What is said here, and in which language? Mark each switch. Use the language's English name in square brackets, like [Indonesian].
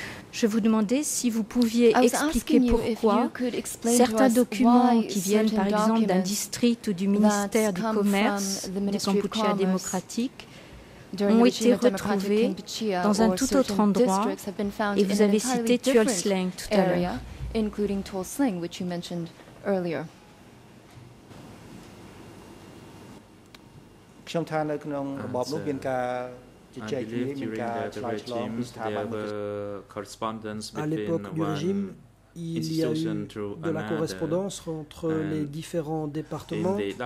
[French] Je vous demandais si vous pouviez expliquer pourquoi certains documents qui viennent, par exemple, d'un district ou du ministère du Commerce de Kampuchea démocratique ont été retrouvés dans un tout autre endroit, et vous avez cité Tuol Sleng tout à l'heure, [English] including Tuol Sleng, which you mentioned earlier. [French] À l'époque du régime, il y a eu de la correspondance entre les différents départements.